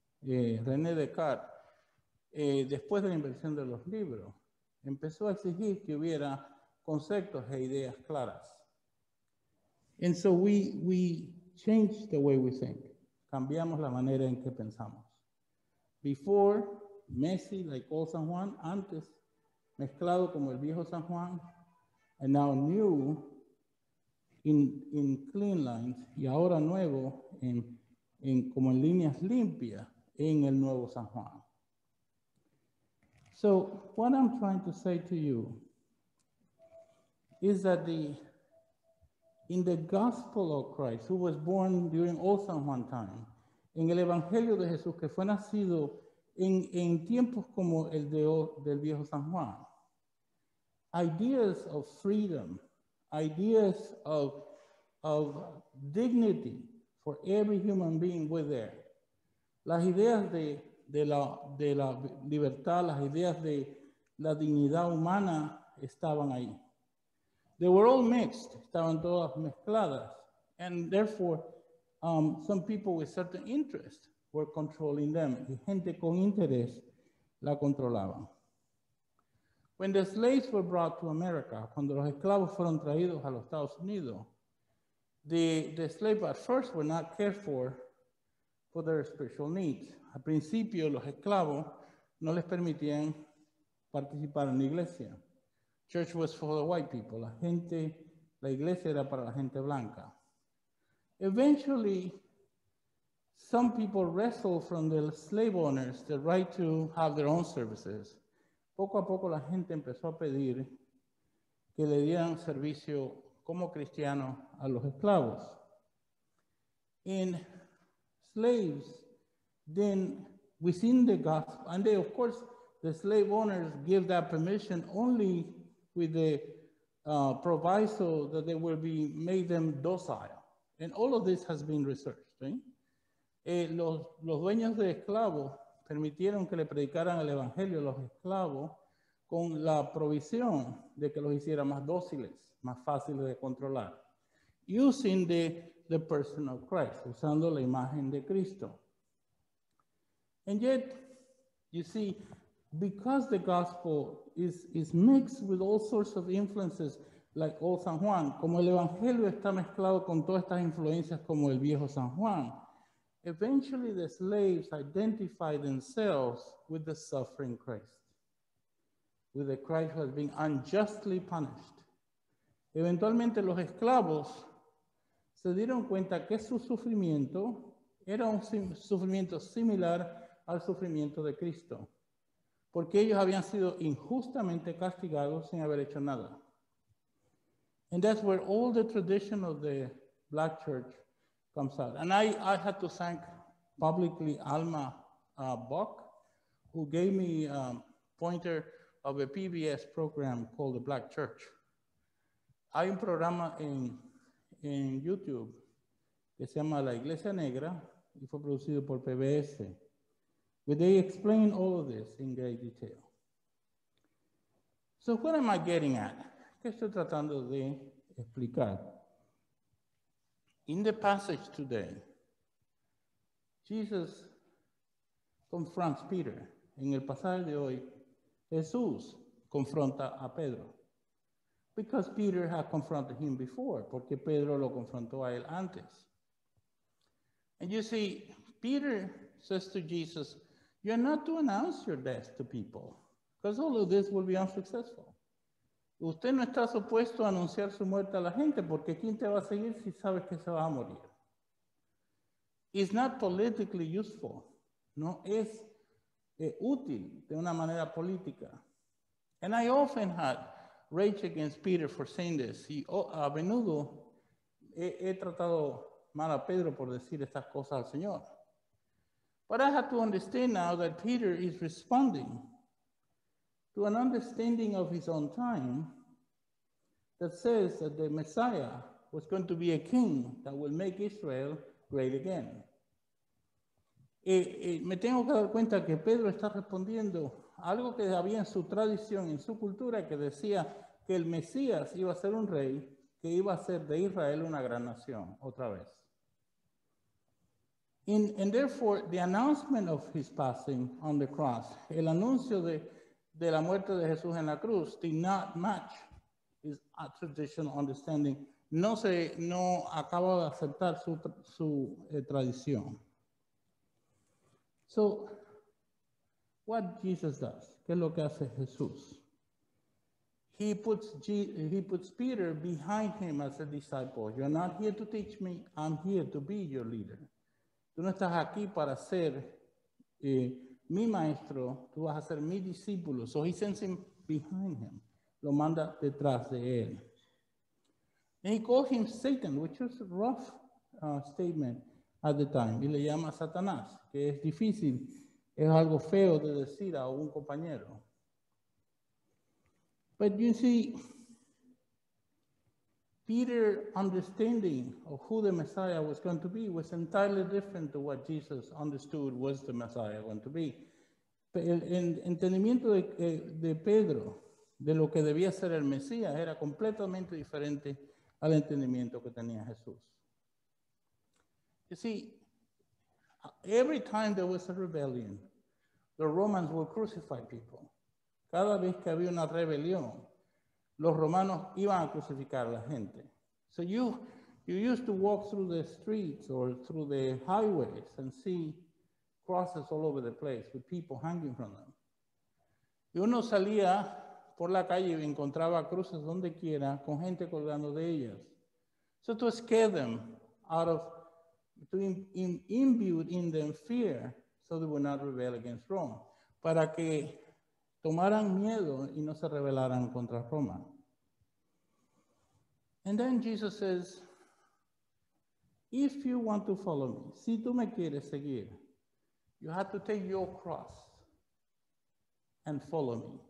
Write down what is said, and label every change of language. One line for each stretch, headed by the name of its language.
Spanish: René Descartes, después de la invención de los libros, empezó a exigir que hubiera conceptos e ideas claras.
English: And so we changed the way we think.
Spanish: Cambiamos la manera en que pensamos.
English: Before, messy, like old San Juan,
Spanish: antes, mezclado como el viejo San Juan,
English: and now new, in clean lines,
Spanish: y ahora nuevo, en como en líneas limpias, en el nuevo San Juan.
English: So what I'm trying to say to you is that in the gospel of Christ, who was born during old San Juan time,
Spanish: en el Evangelio de Jesús, que fue nacido en tiempos como el del viejo San Juan,
English: ideas of freedom, ideas of dignity for every human being were there.
Spanish: Las ideas de la libertad, las ideas de la dignidad humana estaban ahí.
English: They were all mixed,
Spanish: estaban todas mezcladas,
English: and therefore some people with certain interests were controlling them.
Spanish: Y gente con interés la controlaban.
English: When the slaves were brought to America,
Spanish: cuando los esclavos fueron traídos a los Estados Unidos,
English: the slaves at first were not cared for their spiritual needs.
Spanish: Al principio, los esclavos no les permitían participar en la iglesia.
English: Church was for the white people.
Spanish: La iglesia era para la gente blanca.
English: Eventually, some people wrestled from the slave owners the right to have their own services.
Spanish: Poco a poco la gente empezó a pedir que le dieran servicio como cristiano a los esclavos.
English: And slaves, then within the gospel, and they, of course, the slave owners give that permission only with the proviso that they will be made them docile. And all of this has been researched, right?
Spanish: Los dueños de esclavos permitieron que le predicaran el evangelio a los esclavos con la provisión de que los hiciera más dóciles, más fáciles de controlar,
English: using the person of Christ,
Spanish: usando la imagen de Cristo.
English: And yet, you see, because the gospel is mixed with all sorts of influences, like old San Juan,
Spanish: como el evangelio está mezclado con todas estas influencias como el viejo San Juan,
English: eventually the slaves identify themselves with the suffering Christ, with the Christ who has been unjustly punished.
Spanish: Eventualmente los esclavos se dieron cuenta que su sufrimiento era un sufrimiento similar al sufrimiento de Cristo, porque ellos habían sido injustamente castigados sin haber hecho nada.
English: And that's where all the tradition of the Black Church comes out. And I had to thank publicly Alma Bock, who gave me a pointer of a PBS program called the Black Church.
Spanish: Hay un programa en YouTube que se llama La Iglesia Negra y fue producido por PBS,
English: where they explain all of this in great detail. So what am I getting at?
Spanish: ¿Qué estoy tratando de explicar?
English: In the passage today, Jesus confronts Peter.
Spanish: En el pasaje de hoy, Jesús confronta a Pedro,
English: because Peter had confronted him before,
Spanish: porque Pedro lo confrontó a él antes.
English: And you see, Peter says to Jesus, you are not to announce your death to people, because all of this will be unsuccessful.
Spanish: Usted no está supuesto a anunciar su muerte a la gente, porque ¿quién te va a seguir si sabes que se va a morir?
English: It's not politically useful.
Spanish: No es útil de una manera política.
English: And I often had rage against Peter for saying this.
Spanish: Y a menudo he tratado mal a Pedro por decir estas cosas al Señor.
English: But I have to understand now that Peter is responding to an understanding of his own time that says that the Messiah was going to be a king that will make Israel great again.
Spanish: Me tengo que dar cuenta que Pedro está respondiendo algo que había en su tradición, en su cultura, que decía que el Mesías iba a ser un rey que iba a hacer de Israel una gran nación otra vez.
English: And therefore, the announcement of his passing on the cross,
Spanish: el anuncio de la muerte de Jesús en la cruz,
English: did not match his traditional understanding.
Spanish: No acaba de aceptar su tradición.
English: So, what Jesus does?
Spanish: ¿Qué es lo que hace Jesús?
English: He puts Peter behind him as a disciple. You're not here to teach me. I'm here to be your leader.
Spanish: Tú no estás aquí para ser mi maestro. Tú vas a ser mi discípulo.
English: So he sends him behind him.
Spanish: Lo manda detrás de él.
English: And he calls him Satan, which is a rough statement at the time.
Spanish: Y le llama Satanás, que es difícil. Es algo feo de decir a un compañero.
English: But you see, Peter's understanding of who the Messiah was going to be was entirely different to what Jesus understood was the Messiah going to be.
Spanish: El entendimiento de Pedro de lo que debía ser el Mesías era completamente diferente al entendimiento que tenía Jesús.
English: You see, every time there was a rebellion, the Romans would crucify people.
Spanish: Cada vez que había una rebelión, los romanos iban a crucificar a la gente.
English: So you used to walk through the streets or through the highways and see crosses all over the place with people hanging from them.
Spanish: Y uno salía por la calle y encontraba cruces donde quiera con gente colgando de ellas.
English: So to scare them out of, to imbue in them fear so they would not rebel against Rome.
Spanish: Para que tomaran miedo y no se rebelaran contra Roma.
English: And then Jesus says, if you want to follow me,
Spanish: si tú me quieres seguir,
English: you have to take your cross and follow me.